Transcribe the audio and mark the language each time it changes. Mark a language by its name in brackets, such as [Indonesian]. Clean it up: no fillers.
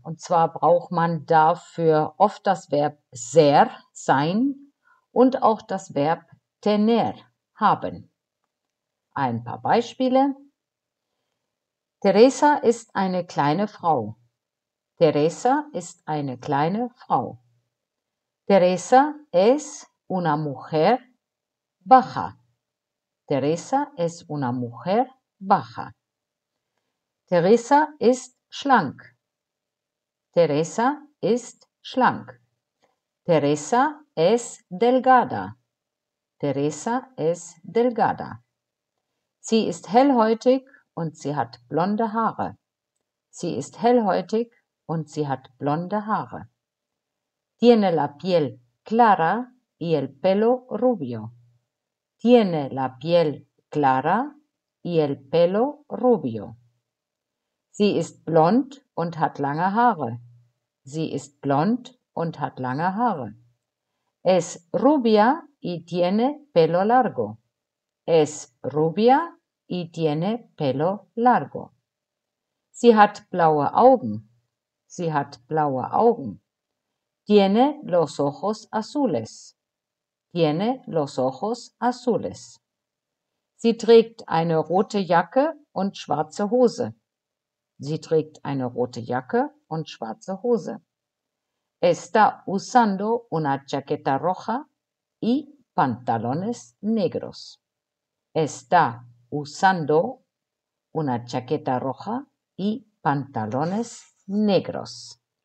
[German] Und zwar braucht man dafür oft das Verb ser, sein, und auch das Verb tener, haben. Ein paar Beispiele. Teresa ist eine kleine Frau. Teresa ist eine kleine Frau. [Spanish] Teresa es una mujer baja. Teresa es una mujer baja. [German] Teresa ist schlank. Teresa ist schlank. [Spanish] Teresa es delgada. Teresa es delgada. [German] Sie ist hellhäutig und sie hat blonde Haare. Sie ist hellhäutig und sie hat blonde Haare. [Spanish] Tiene la piel clara y el pelo rubio. Tiene la piel clara y el pelo rubio. [German] Sie ist blond und hat lange Haare. Sie ist blond und hat lange Haare. [Spanish] Es rubia y tiene pelo largo. Es rubia y tiene pelo largo. [German] Sie hat blaue Augen. Sie hat blaue Augen. [Spanish] Tiene los ojos azules. Tiene los ojos azules. [German] Sie trägt eine rote Jacke und schwarze Hose. Sie trägt eine rote Jacke und schwarze Hose. [Spanish] Está usando una chaqueta roja y pantalones negros. Está usando una chaqueta roja y pantalones negros.